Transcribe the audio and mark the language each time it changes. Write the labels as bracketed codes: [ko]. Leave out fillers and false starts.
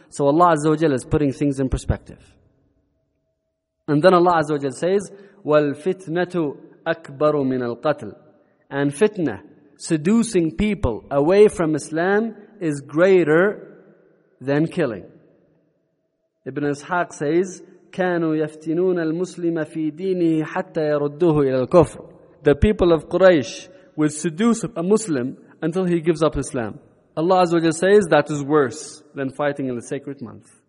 [en] So Allah Azza wa Jalla is putting things in perspective. And then Allah Azza wa Jalla says, [ar] وَالْفِتْنَةُ أَكْبَرُ مِنَ الْقَتْلِ. [en] And fitna, seducing people away from Islam, is greater than killing. Ibn Ishaq says, [ar] كَانُوا يَفْتِنُونَ الْمُسْلِمَ فِي دِينِهِ حَتَّى يَرُدُّهُ إِلَى الْكُفْرِ. [en] The people of Quraysh will seduce a Muslim until he gives up Islam. Allah Azza wa Jalla says that is worse than fighting in the sacred month.